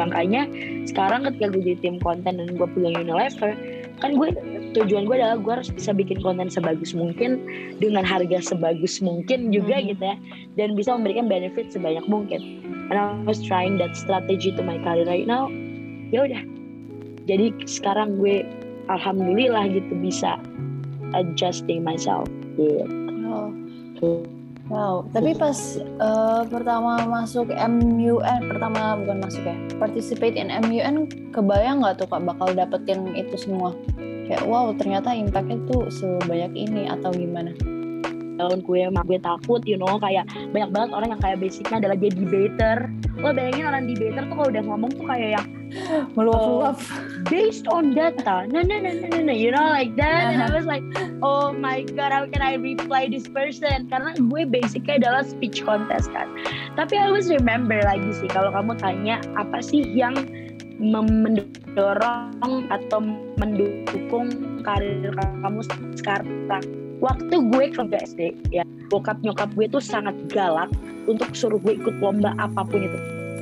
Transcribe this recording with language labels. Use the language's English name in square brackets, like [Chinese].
[Indonesian] Makanya sekarang ketika gue jadi tim konten dan gue pulang Unilever, kan gue, tujuan gue adalah gue harus bisa bikin konten sebagus mungkin, dengan harga sebagus mungkin juga gitu ya, dan bisa memberikan benefit sebanyak mungkin. [English] And I was trying that strategy to my career right now. [Indonesian] Ya udah, jadi sekarang gue alhamdulillah gitu bisa adjusting myself gitu. Wow, tapi pas pertama masuk MUN, pertama bukan masuk ya, participate in MUN, kebayang gak tuh kak bakal dapetin itu semua? Kayak wow, ternyata impact-nya tuh sebanyak ini atau gimana? Tahun gue takut, you know, kayak banyak banget orang yang kayak basicnya adalah dia debater. Lo bayangin orang debater tuh kalau udah ngomong tuh kayak yang meluap-luap. [English] Based on data, no, you know, like that. And I was like, oh my god, how can I reply this person? [Indonesian] Karena gue basicnya adalah speech contest kan. Tapi I always remember lagi sih, kalau kamu tanya apa sih yang mendorong atau mendukung karir kamu sekarang. Waktu gue ke SD ya, bokap nyokap gue tuh sangat galak untuk suruh gue ikut lomba apapun itu.